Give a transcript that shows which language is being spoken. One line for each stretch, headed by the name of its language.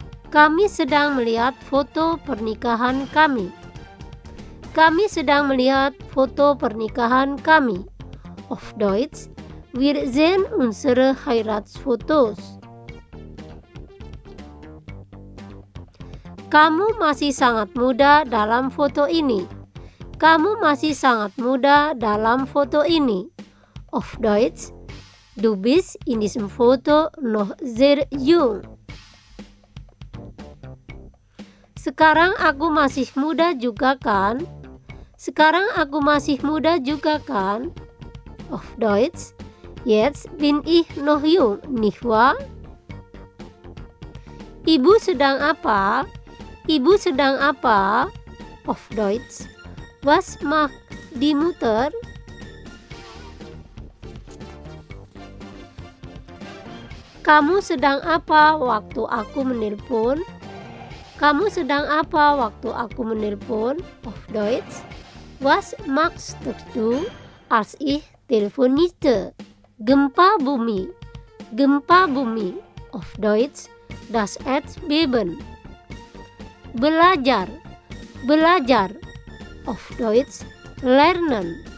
Indonesian: Kami sedang melihat foto pernikahan kami. Kami sedang melihat foto pernikahan kami.
German: Auf Deutsch, wir sehen unsere Heiratsfotos.
Indonesian: Kamu masih sangat muda dalam foto ini. Kamu masih sangat muda dalam foto ini.
German: Auf Deutsch, du bist in diesem Foto noch sehr jung.
Indonesian: Sekarang aku masih muda juga kan? Sekarang aku masih muda juga kan?
German: Auf Deutsch, jetzt bin ich noch jung, nicht wahr?
Indonesian: Ibu sedang apa? Ibu sedang apa?
German: Auf Deutsch, was macht die Mutter?
Indonesian: Kamu sedang apa waktu aku menelpon? Kamu sedang apa waktu aku menelpon?
German: Auf Deutsch, was machst du als ich telefonierte?
Indonesian: Gempa bumi. Gempa bumi.
German: Auf Deutsch, das Erdbeben.
Indonesian: Belajar, belajar.
German: Auf Deutsch, lernen.